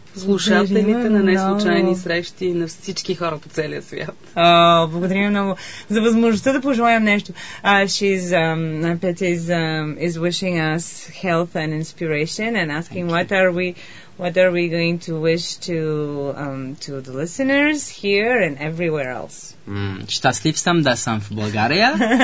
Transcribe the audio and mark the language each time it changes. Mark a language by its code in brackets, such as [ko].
[bg] слушателите на неслучайни срещи на всички хора по целия свят. Благодаря много за възможността да пожелаем нещо. [en] Петя is wishing us health and inspiration and asking what are we going to wish to the listeners here and everywhere else. [bg] Щастлив съм да съм в България.